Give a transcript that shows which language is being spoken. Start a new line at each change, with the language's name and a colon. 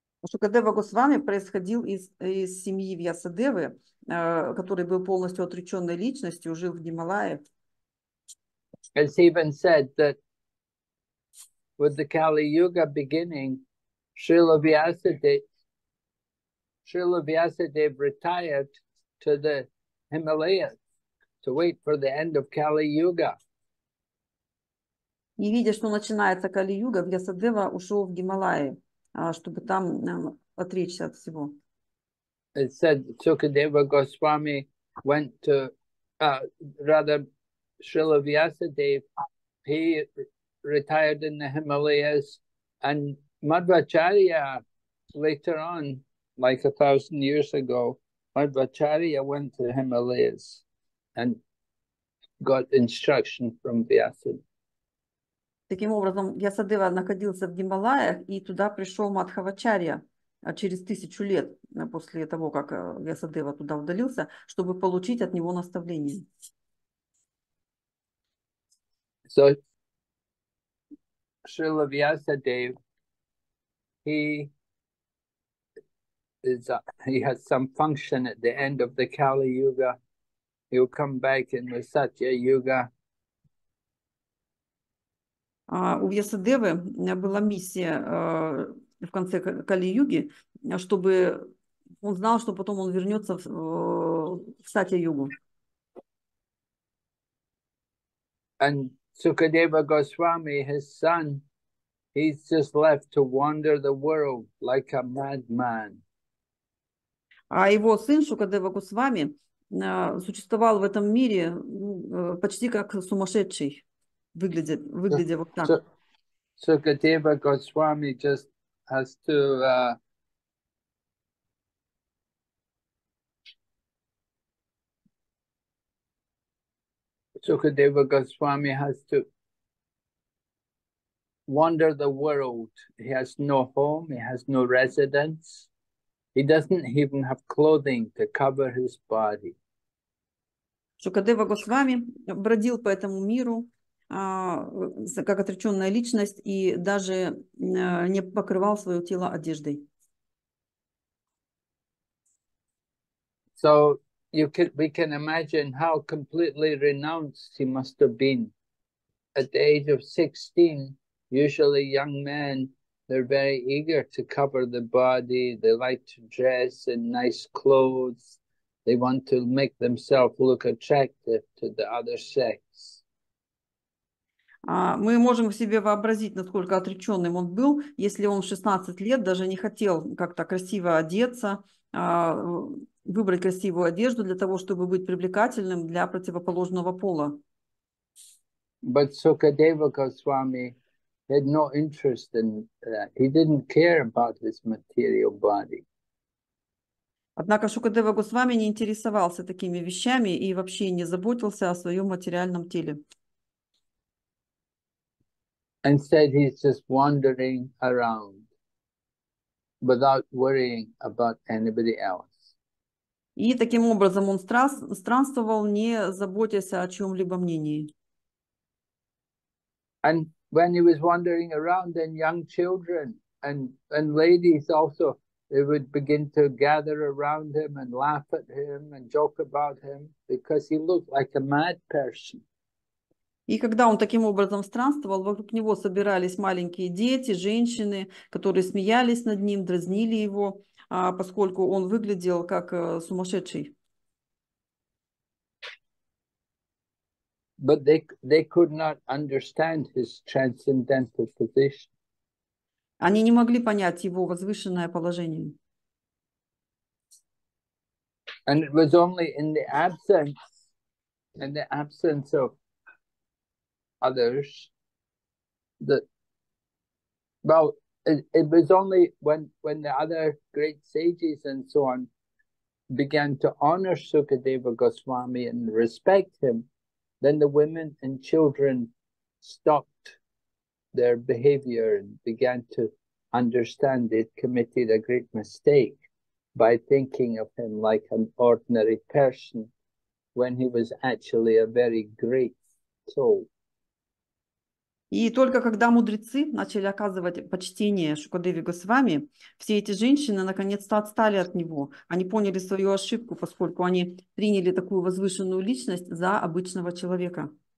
Russian: Шукадева Госвами происходил из семьи Вьясадевы, который был полностью отреченной личностью, жил в Гималаях.
English: It's even said that with the Kali Yuga beginning, Srila Vyasadeva retired to the Himalayas to wait for the end of Kali Yuga.
Russian: И видя, что начинается Кали-юга, Вьясадева ушел в Гималаи, чтобы там отречься от всего.
English: It said Sukadeva Goswami went to, rather, Srila Vyasadeva, he retired in the Himalayas, and Madhvacharya later on, like 1,000 years ago, Madhvacharya went to the Himalayas and got instruction from Vyasadeva.
Russian: Таким образом, Ясадева находился в Гималаях, и туда пришел Мадхавачарья через 1000 лет после того, как Ясадева туда удалился, чтобы получить от него наставление.
English: So, Srila Vyasadeva, he has some function at the end of the Kali Yuga. He'll come back in the Satya Yuga.
Russian: У Вьясадевы была миссия в конце Кали-юги, чтобы он знал, что потом он вернется в Сатья-югу.
English: And Sukadeva Goswami, his son, he's just left to wander the world like a madman.
Russian: А его сын Шукадева Госвами существовал в этом мире почти как сумасшедший. Выглядит вот так.
English: So Sukadeva Goswami just has to Sukadeva Goswami has to wander the world. He has no home, he has no residence. He doesn't even have clothing to cover his body.
Russian: Шукадева Госвами бродил по этому миру как отреченная личность и даже не покрывал свое тело одеждой.
English: So you can, we can imagine how completely renounced he must have been at the age of 16. Usually young men, they're very eager to cover the body. They like to dress in nice clothes. They want to make themselves look attractive to the other sex.
Russian: Мы можем себе вообразить, насколько отреченным он был, если он в 16 лет даже не хотел как-то красиво одеться, выбрать красивую одежду для того, чтобы быть привлекательным для противоположного пола.
English: But Sukadeva Goswami had no interest in that. He didn't care about his material body.
Russian: Однако Шукадева Госвами не интересовался такими вещами и вообще не заботился о своем материальном теле.
English: Instead, he's just wandering around without worrying about anybody else.
Russian: И таким образом он странствовал, не заботясь о чем-либо мнении.
English: And when he was wandering around, then young children and ladies also, they would begin to gather around him and laugh at him and joke about him because he looked like a mad person.
Russian: И когда он таким образом странствовал, вокруг него собирались маленькие дети, женщины, которые смеялись над ним, дразнили его, поскольку он выглядел как сумасшедший.
English: But they could not understand his transcendental position.
Russian: Они не могли понять его возвышенное положение.
English: And it was only in the absence of others, that, well, it was only when the other great sages and so on began to honor Sukadeva Goswami and respect him, then the women and children stopped their behavior and began to understand they'd committed a great mistake by thinking of him like an ordinary person when he was actually a very great soul.
Russian: И только когда мудрецы начали оказывать почтение Шукадеве Госвами, все эти женщины наконец-то отстали от него. Они поняли свою ошибку, поскольку они приняли такую возвышенную личность за обычного человека.